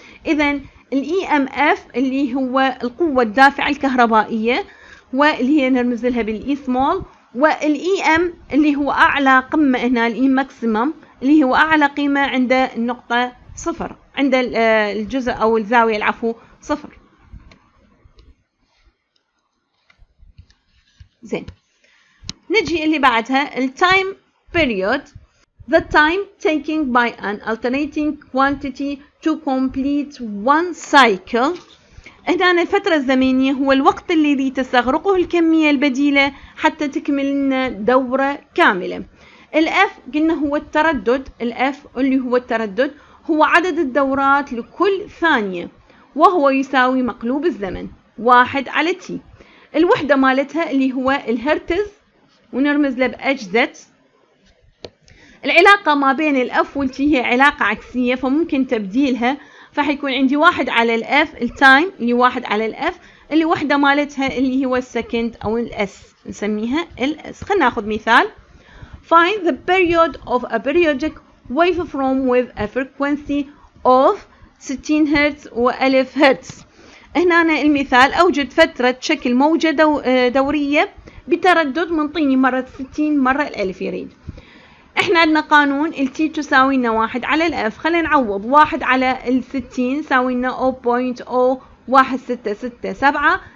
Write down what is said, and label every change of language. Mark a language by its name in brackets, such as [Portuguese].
[Arabic] إذن الـ EMF اللي هو القوة الدافعة الكهربائية، واللي هي نرمز لها بالـ E small، والـ EM اللي هو أعلى قمة هنا، الـ E maximum اللي هو أعلى قيمة عند النقطة صفر، عند الجزء أو الزاوية العفو صفر. زين، نجي اللي بعدها الـ Time period. [English] The time taken by an alternating quantity to complete one cycle. [Arabic] هنا الفترة الزمنية هو الوقت الذي تستغرقه الكمية البديلة حتى تكمل لنا دورة كاملة. الاف قلنا هو التردد، الاف اللي هو التردد هو عدد الدورات لكل ثانية، وهو يساوي مقلوب الزمن واحد على تي. الوحدة مالتها اللي هو الهرتز، ونرمز له بH Z. العلاقة ما بين الاف والتي هي علاقة عكسية، فممكن تبديلها، فحيكون عندي واحد على الاف التايم اللي واحد على الاف اللي وحدة مالتها اللي هو السكند او الاس، نسميها الاس. خلنا ناخذ مثال. [English] Find the period of a periodic waveform with a frequency of 60 [Arabic] هرتز و 1000 هرتز. هنا المثال، اوجد فترة شكل موجة دورية بتردد منطيني مرة 60 مرة 1000 يريد. احنا عندنا قانون التي تساوي لنا واحد على الاف، خلينا نعوض واحد على الستين يساوي لنا 0.01667.